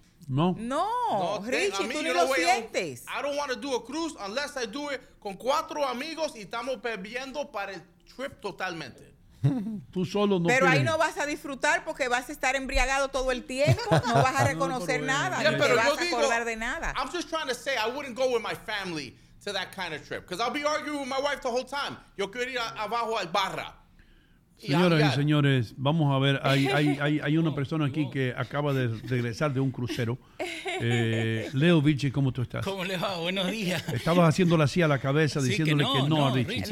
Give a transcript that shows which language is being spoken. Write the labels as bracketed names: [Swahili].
[Spanish] No, Richie, tú ni lo sientes. [English] I don't want to do a cruise unless I do it [Spanish] con cuatro amigos y estamos bebiendo para el [English] trip totalmente. [Spanish] Tú solo no. Pero ahí no vas a disfrutar porque vas a estar embriagado todo el tiempo. No vas a reconocer nada. No te vas a acordar de nada. [English] I'm just trying to say I wouldn't go with my family to that kind of trip because I'll be arguing with my wife the whole time. [Spanish] Yo quiero ir abajo al barra. Señoras y señores, vamos a ver, hay una persona aquí que acaba de regresar de un crucero. Leo Vichy, ¿cómo tú estás? ¿Cómo le va? Buenos días. Estabas haciéndole así a la cabeza, sí, diciéndole que no, a Richie.